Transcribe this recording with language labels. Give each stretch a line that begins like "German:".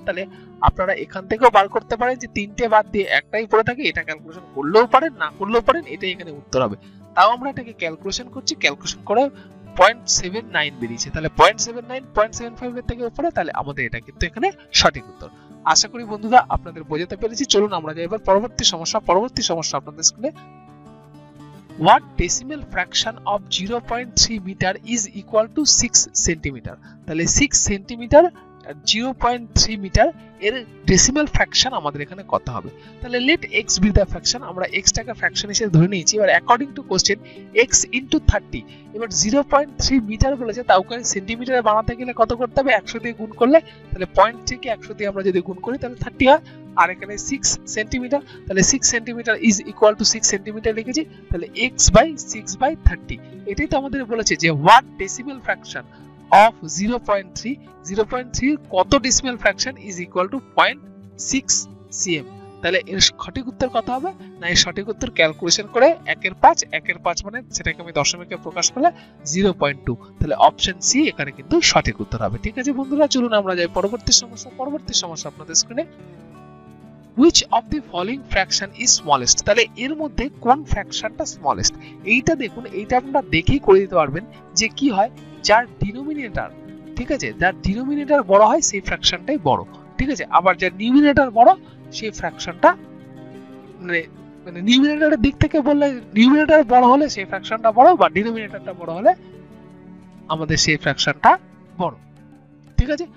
Bangla: তাহলে আপনারা এখান থেকেও বার করতে পারেন যে তিনটে বাদ দিয়ে একটাই পড়ে থাকে, এটা ক্যালকুলেশন করলেও পারেন না করলেও পারেন, এটাই এখানে উত্তর হবে। তাও আমরা এটাকে ক্যালকুলেশন করছি, ক্যালকুলেশন করে 0.79 বেরিয়েছে, তাহলে 0.79, 0.75 এর থেকে উপরে, তাহলে আমাদের এটা কিন্তু এখানে সঠিক উত্তর। আশা করি বন্ধুরা আপনাদের বোঝাতে পেরেছি, চলুন আমরা যাই এবার পরবর্তী সমস্যা আপনাদের স্ক্রিনে।
English: What decimal fraction of 0.3 meter is equal to 6 centimeter?
Bangla: তাহলে 6 সেন্টিমিটার 0.3 মিটার এর ডেসিমাল ফ্র্যাকশন আমাদের এখানে কত হবে। তাহলে
English: let x be the fraction,
Bangla: আমরা x টাকে ফ্র্যাকশন হিসেবে ধরে নিয়েছি। এবার according to question x into 30, এবার 0.3 মিটার বলেছে, তাও কি সেন্টিমিটারে বানাতে গেলে কত করতে হবে, 100 দিয়ে গুণ করলে, তাহলে পয়েন্ট থেকে 100 দিয়ে আমরা যদি গুণ করি তাহলে 30 হয়, আর এখানে 6 সেন্টিমিটার, তাহলে 6 centimetre is equal to 6 centimetre লিখেছি, তাহলে x বাই 6 বাই 30। এটাই তো আমাদের বলেছে যে
English: what decimal fraction of 0.3
Bangla: কত decimal fraction is equal to 0.6 CM. তাহলে এর সঠিক উত্তর কত হবে, না এর সঠিক উত্তর ক্যালকুলেশন করে একের পাঁচ মানে সেটাকে আমি দশমিকে প্রকাশ করলে 0.2, তাহলে অপশন সি এখানে কিন্তু সঠিক উত্তর হবে। ঠিক আছে বন্ধুরা, চলুন আমরা যাই পরবর্তী সমস্যা আপনাদের স্ক্রিনে।
English: Which of the following fraction is smallest?
Bangla: তাহলে এর মধ্যে কোন ফ্র্যাকশনটা স্মলেস্ট, এইটা দেখুন, এইটা আপনারা দেখেই করে দিতে পারবেন যে কি হয়, যার ডিনোমিনেটার, ঠিক আছে, যার ডিনোমিনেটার বড় হয় সেই ফ্র্যাকশনটাই বড়, ঠিক আছে, আবার যার নিউমিনেটার বড় সেই ফ্র্যাকশনটা মানে নিউমিনেটারের দিক থেকে বললে নিউমিনেটার বড় হলে সেই ফ্র্যাকশনটা বড়, বা ডিনোমিনেটারটা বড় হলে আমাদের সেই ফ্র্যাকশনটা বড়, ঠিক আছে।